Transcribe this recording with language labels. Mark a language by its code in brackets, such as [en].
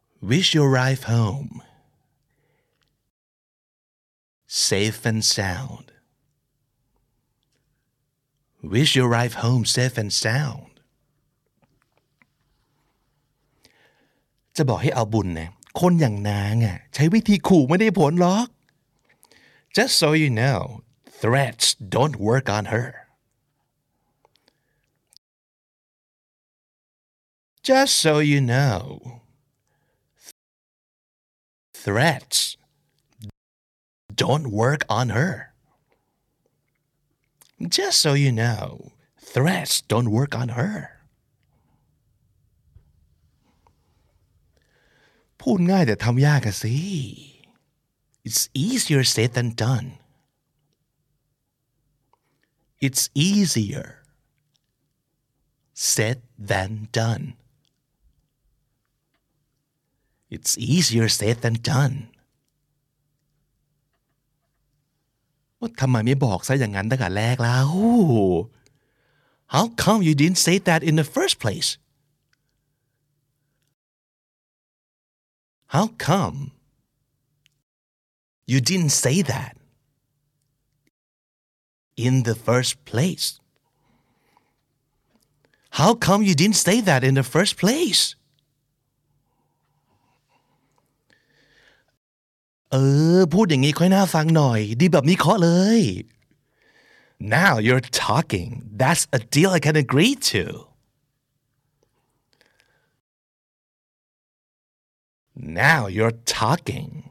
[en] Wish you arrive home safe and sound. Wish you arrive home safe and sound. [th] จะบอกให้เอาบุญนะคนอย่างนางอ่ะใช้วิธีขู่ไม่ได้ผลหรอก [en] Just so you know, threats don't work on her. Just so you know, threats don't work on her. Just so you know, threats don't work on her. [th] พูดง่ายแต่ทำยากอะสิ [en] It's easier said than done. It's easier said than done. It's easier said than done. [th] ว่าทำไมไม่บอกซะอย่างนั้นตั้งแต่แรกแล้ว [en] How come you didn't say that in the first place? How come you didn't say that in the first place? How come you didn't say that in the first place? [th] เออพูดอย่างนี้ค่อยน่าฟังหน่อยดีแบบนี้เคาะเลย [en] Now you're talking. That's a deal I can agree to. Now you're talking.